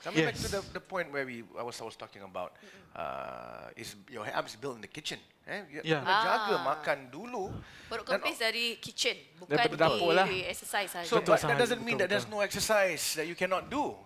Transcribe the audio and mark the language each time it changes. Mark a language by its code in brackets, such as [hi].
[en] Coming back to the point where I was talking about, is your abs built in the kitchen. [ms] Jaga makan dulu. Perut kempis dari kitchen, bukan dari exercise sahaja. [en] So, but that doesn't mean that there's no exercise that you cannot do.